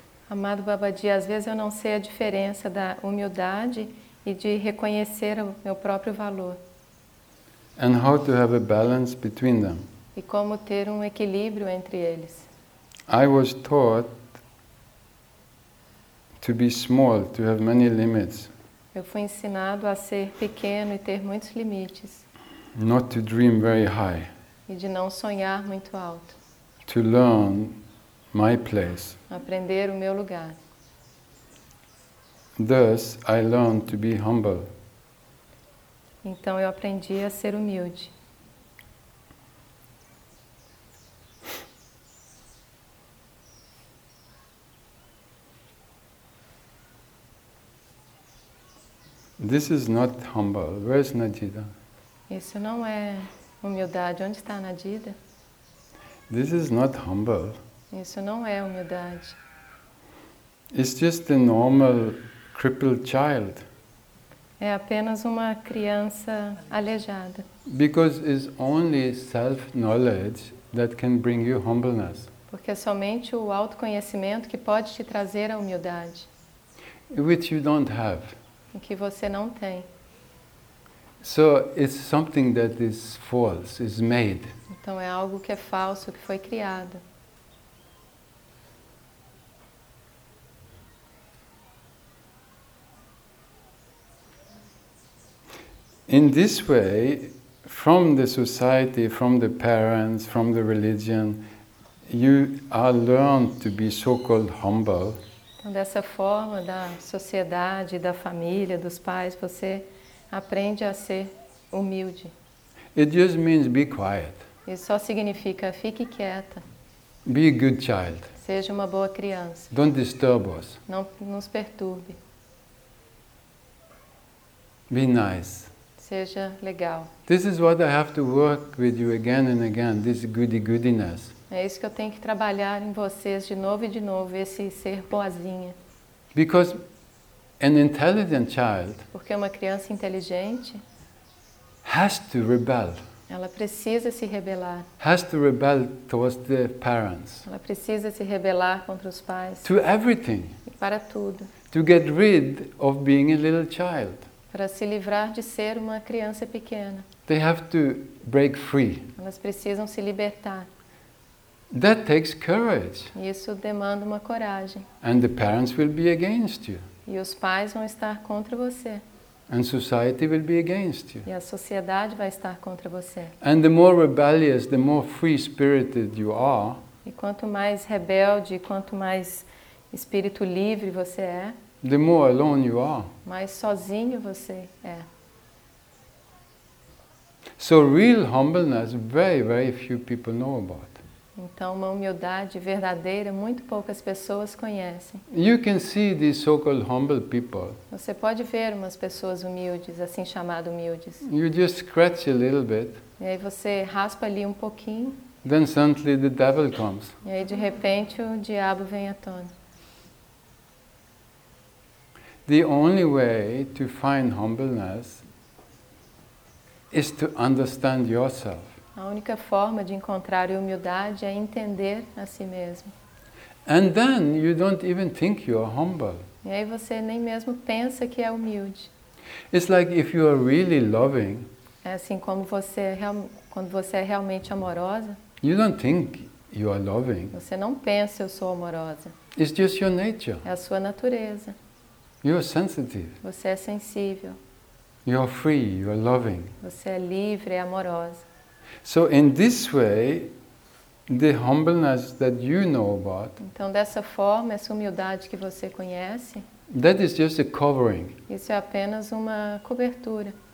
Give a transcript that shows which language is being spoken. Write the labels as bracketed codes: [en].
[pt] Amado Babaji, às vezes eu não sei a diferença da humildade e de reconhecer o meu próprio valor. [en] And how to have a balance between them. [pt] E como ter equilíbrio entre eles. [en] I was taught to be small, to have many limits. [pt] Eu fui ensinado a ser pequeno e ter muitos limites. [en] Not to dream very high. [pt] E de não sonhar muito alto. [en] to learn my place. [pt] Aprender o meu lugar. [en] Thus, I learned to be humble. [pt] Então eu aprendi a ser humilde. [en] This is not humble. Where is Nadida? [pt] Isso não é humildade. Onde está Nadida? [en] This is not humble. [pt] Isso não é humildade. [en] It's just a normal crippled child. [pt] É apenas uma criança aleijada. [en] Because it's only self-knowledge that can bring you humbleness. [pt] Porque é somente o autoconhecimento que pode te trazer a humildade. [en] Which you don't have. [pt] Que você não tem. [en] So it's something that is false, is made. [pt] Então é algo que é falso, que foi criado. [en] In this way, from the society, from the parents, from the religion, you are learned to be so-called humble. [pt] Então, dessa forma, da sociedade, da família, dos pais, você aprende a ser humilde. [en] It just means be quiet. [pt] Isso só significa fique quieta. [en] Be a good child. [pt] Seja uma boa criança. [en] Don't disturb us. [pt] Não nos perturbe. [en] Be nice. [pt] Seja legal. [en] This is what I have to work with you again and again, this goody-goodiness. [pt] É isso que eu tenho que trabalhar em vocês de novo, esse ser boazinha. [en] Because an intelligent child, [pt] porque uma criança inteligente, [en] has to rebel. [pt] Ela precisa se rebelar. [en] Has to rebel towards the parents. [pt] Ela precisa se rebelar contra os pais. [en] To everything. [pt] Para tudo. [en] To get rid of being a little child. [pt] Para se livrar de ser uma criança pequena. [en] They have to break free. [pt] Elas precisam se libertar. [en] That takes courage. [pt] Isso demanda uma coragem. [en] And the parents will be against you. [pt] E os pais vão estar contra você. [en] And society will be against you. [pt] E a sociedade vai estar contra você. [en] And the more rebellious, the more free-spirited you are. [pt] E quanto mais rebelde, quanto mais espírito livre você é, [en] the more alone you are. [pt] Mais sozinho você é. [en] So real humbleness, very, very few people know about. [pt] Então, uma humildade verdadeira, muito poucas pessoas conhecem. [en] You can see these so-called humble people. [pt] Você pode ver umas pessoas humildes, assim chamadas humildes. [en] You just scratch a little bit. [pt] E aí você raspa ali um pouquinho. [en] Then suddenly the devil comes. [pt] E aí, de repente, o diabo vem à tona. [en] The only way to find humbleness is to understand yourself. [pt] A única forma de encontrar humildade é entender a si mesmo. [en] And then you don't even think you are humble. [pt] E aí você nem mesmo pensa que é humilde. [en] It's like if you are really loving. [pt] É assim como você quando você é realmente amorosa. [en] You don't think you are loving. [pt] Você não pensa eu sou amorosa. [en] It's just your nature. [pt] É a sua natureza. [en] You are sensitive. [pt] Você é sensível. [en] You are free. You are loving. [pt] Você é livre e amorosa. [en] So in this way, the humbleness that you know about. [pt] Então dessa forma, essa humildade que você conhece. [en] That is just a covering. [pt] Isso é apenas uma cobertura.